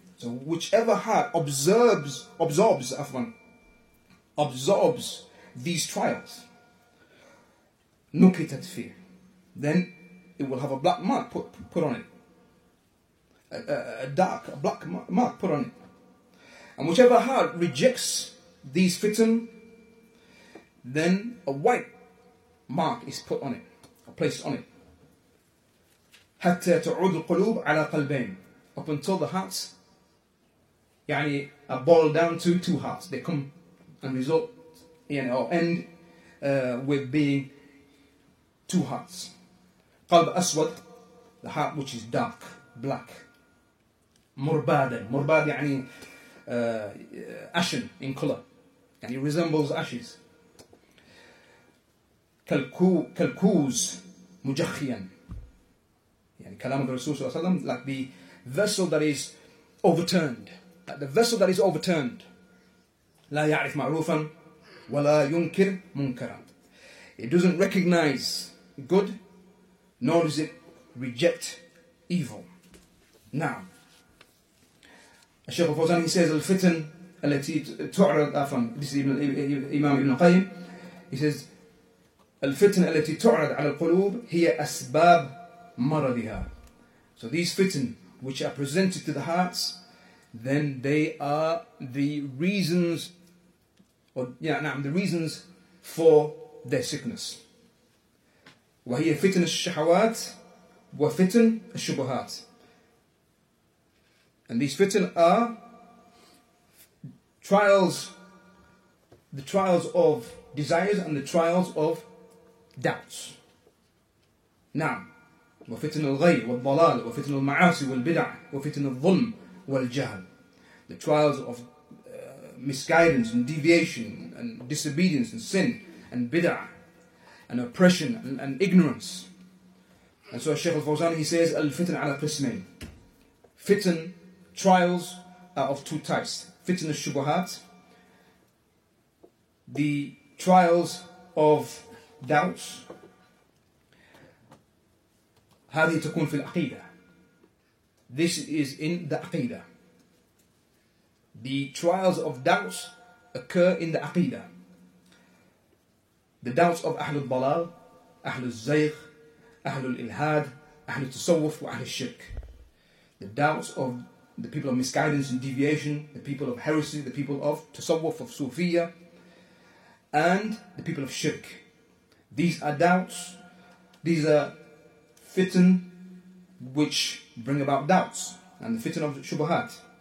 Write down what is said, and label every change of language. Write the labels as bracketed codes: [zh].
[en] So whichever heart absorbs these trials, [ar] نكتت فيه, [en] then it will have a black mark put on it. A black mark put on it. And whichever heart rejects these fitn, then a white mark is put on it, placed on it. [ar] حَتَّى تَعُودُ الْقُلُوبُ عَلَى قَلْبَيْنِ. [en] Up until the hearts, [ar] يعني, [en] are boiled down to two hearts. They come and result, [ar] يعني, [en] or end with being two hearts. [ar] قَلْبَ أَسْوَدْ, [en] the heart which is dark, black. [ar] مُرْبَادًا, مُرْبَاد, يعني, [en] ashen in colour, and it resembles ashes. [ar] كالكوز مجخياً, يعني كلام الرسول صلى الله عليه وسلم, [en] like the vessel that is overturned, like the vessel that is overturned. [ar] لا يعرف معروفاً ولا ينكر منكراً. [en] It doesn't recognize good, nor does it reject evil. Now, الشيخ الفوزان, he says, [ar] الفتن التي تعرض أفهم [en] this is Imam Ibn Qayyim. He says [ar] الفتن التي تعرض على القلوب هي أسباب مرضها. [en] So these fitn which are presented to the hearts, then they are the reasons, the reasons for their sickness. [ar] وهي فتن الشهوات وفتن الشبهات. [en] And these fitn are trials, the trials of desires and the trials of doubts. Now, [ar] وفتن الغي والضلال وفتن المعاصي والبدع وفتن الظلم والجهل. [en] The trials of misguidance and deviation and disobedience and sin and bid'a and oppression and ignorance. And so Shaykh al-Fawzan, he says, [ar] الفتن على قسمين. [en] Fitn, trials are of two types. [ar] Fitn al-shubuhat, [en] the trials of doubts. [ar] هذه تكون في العقيدة. [en] This is in the aqidah. The trials of doubts occur in the aqidah. The doubts of [ar] أهل الضلال, أهل الزيغ, أهل الإلهاد, أهل التصوف وأهل الشرك. [en] The doubts of the people of misguidance and deviation, the people of heresy, the people of تصوف, of Sufiya, and the people of shirk. These are doubts, these are fitn which bring about doubts, and the fitn of shubahat.